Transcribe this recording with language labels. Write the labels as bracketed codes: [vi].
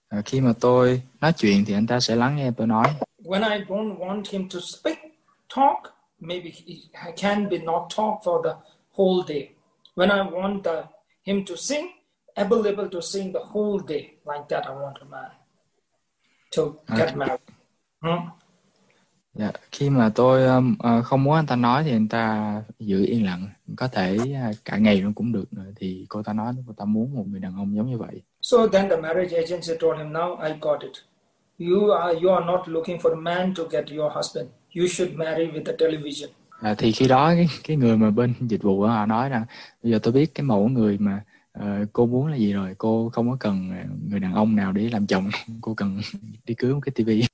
[vi] Khi mà tôi nói chuyện thì anh ta sẽ lắng nghe tôi nói. [en] When I don't want him to speak, talk. Maybe he can be not talk for the whole day. When I want him to sing, available to sing the whole day like that, I want a man to get married. [vi] Khi mà tôi không muốn anh ta nói thì anh ta giữ yên lặng, có thể cả ngày luôn cũng được. Thì cô ta nói cô ta muốn một người đàn ông giống như vậy. [en] So then the marriage agency told him, now I got it. you are not looking for a man to get your husband. You should marry with the television. [vi] À, thì khi đó cái người mà bên dịch vụ đó, họ nói rằng bây giờ tôi biết cái mẫu người mà cô muốn là gì rồi, cô không có cần người đàn ông nào để làm chồng, cô cần đi cưới một cái tivi.